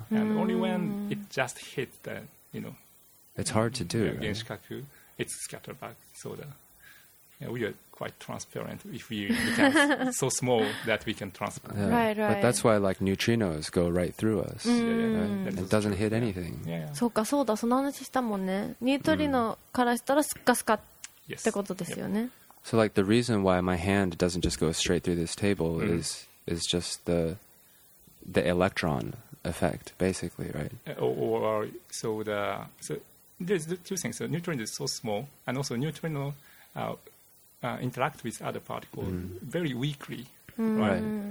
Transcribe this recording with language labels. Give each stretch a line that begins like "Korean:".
English: And only when it just hit the, you know, it's hard to do. Yeah, right? Genshikaku, it's scattered back. So the, yeah, we are quite transparent if we so small that we can transfer. Yeah. Right, right. But that's why, like, neutrinos go right through us. Yeah. It doesn't hit anything. Yeah.
Japanese: そうか、そうだ、その話したもんね。ニュートリノからしたらスカスカってことですよね。
English: So, like, the reason why my hand doesn't just go straight through this table is just the electron effect, basically, right? So there's two things. So neutrino is so small, and also neutrino interact with other particles very weakly, right?